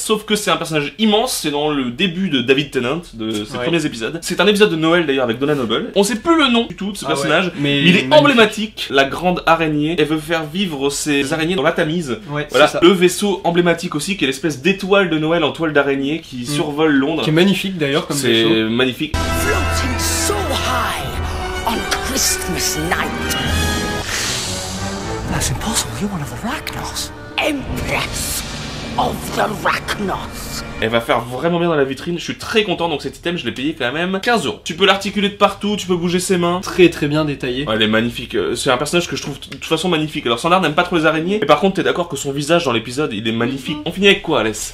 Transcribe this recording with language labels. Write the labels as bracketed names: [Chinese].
[French] Sauf que c'est un personnage immense. C'est dans le début de David Tennant, de ses premiers épisodes. C'est un épisode de Noël, d'ailleurs, avec Donna Noble. On sait plus le nom du tout de ce personnage. Ouais. Mais il est emblématique. La grande araignée. Elle veut faire vivre ses araignées dans la Tamise. Ouais, voilà. C'est ça. Le vaisseau emblématique aussi, qui est l'espèce d'étoile de Noël en toile d'araignée qui survole Londres. Qui est magnifique, d'ailleurs, comme c'est vaisseau. C'est magnifique. [English] Floating so high on Christmas night. That's impossible, you're one of the Arachnos. Empress of the Arachnos. [French] Elle va faire vraiment bien dans la vitrine, je suis très content, donc cet item je l'ai payé quand même 15€. Tu peux l'articuler de partout, tu peux bouger ses mains. Très très bien détaillé. Ouais, elle est magnifique, c'est un personnage que je trouve de toute façon magnifique. Alors Sandar n'aime pas trop les araignées, mais par contre t'es d'accord que son visage dans l'épisode il est magnifique. On finit avec quoi, Alès?